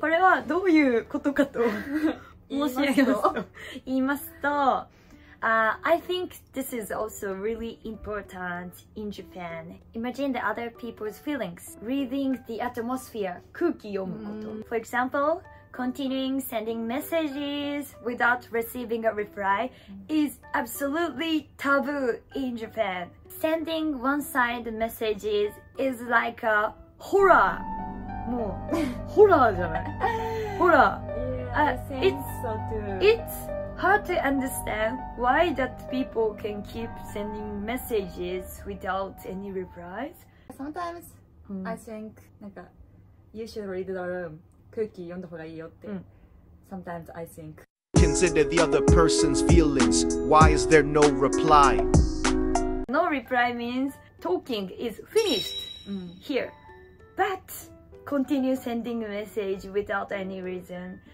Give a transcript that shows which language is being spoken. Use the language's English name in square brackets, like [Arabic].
[Japanese] これはどういうことかと申し上げますと。言いますと、 [English] I think this is also really important in Japan. Imagine the other people's feelings. Reading the atmosphere. [Japanese] 空気読むこと。 [English] For example, continuing sending messages without receiving a reply is absolutely taboo in Japan. Sending one-sided messages is like a horror. [Japanese] もう、ホラーじゃない。ホラー。 [English] It's hard to understand why that people can keep sending messages without any replies. Sometimes, I think, なんか、you should read the room. [Japanese] 空気読んだ方がいいよって。 [English] Sometimes, I think. Consider the other person's feelings. Why is there no reply? No reply means talking is finished here. But continue sending a message without any reason.